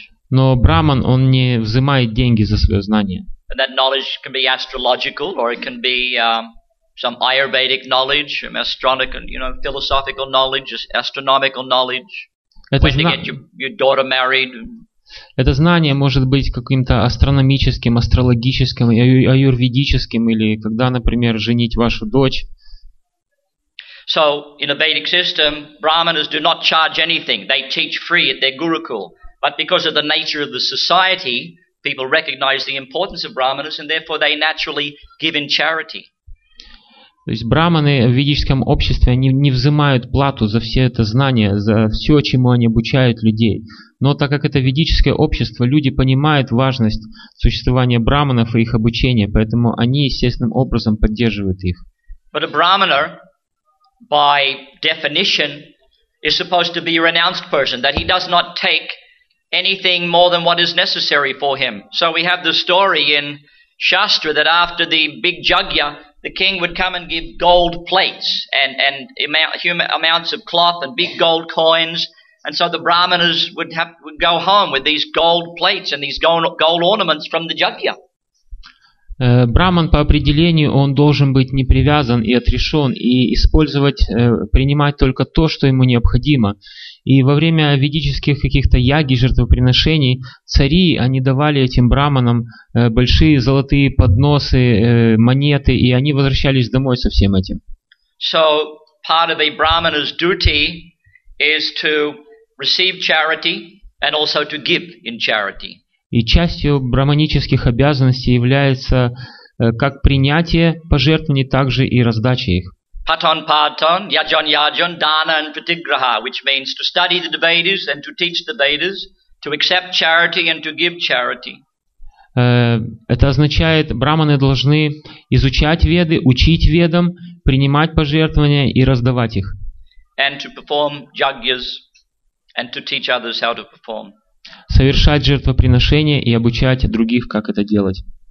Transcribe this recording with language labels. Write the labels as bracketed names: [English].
[Russian] Но брахман, он не взимает деньги за свое знание. [English] And that knowledge can be astrological, or it can be some Ayurvedic knowledge, some astronomical, you know, philosophical knowledge, astronomical knowledge. When to get your daughter married. [Russian] Это знание может быть каким-то астрономическим, астрологическим, аюрведическим, или когда, например, женить вашу дочь. [English] So, in a Vedic system, brahmanas do not charge anything. They teach free at their gurukul. But because of the nature of the society, people recognize the importance of brahmanas, and therefore they naturally give in charity. [Russian] То есть брахманы в ведическом обществе, они не взимают плату за все это знание, за все, чему они обучают людей. Но так как это ведическое общество, люди понимают важность существования брахманов и их обучения, поэтому они естественным образом поддерживают их. [English] But a brahmana, by definition, is supposed to be a renounced person, that he does not take anything more than what is necessary for him. So we have the story in Shastra that after the big jagya, the king would come and give gold plates and amounts of cloth and big gold coins. And so the brahmanas would go home with these gold plates and these gold ornaments from the jagya. [Russian] Брахман по определению он должен быть не привязан и отрешен и использовать, принимать только то, что ему необходимо. И во время ведических каких-то яги, жертвоприношений, цари, они давали этим брахманам большие золотые подносы, монеты, и они возвращались домой со всем этим. [English] So part of a brahmana's duty is to receive charity and also to give in charity. [Russian] И частью брахманических обязанностей является как принятие пожертвований, так же и раздача их. [Sanskrit] Patan patan, yajan yajan, dana [English] and pratigraha, which means to study the Vedas and to teach the Vedas, to accept charity and to give charity. [Russian] Это означает, брахманы должны изучать Веды, учить Ведам, принимать пожертвования и раздавать их. [English] And to perform yajnas and to teach others how to perform. [Russian] Совершать жертвоприношения и обучать других, как это делать.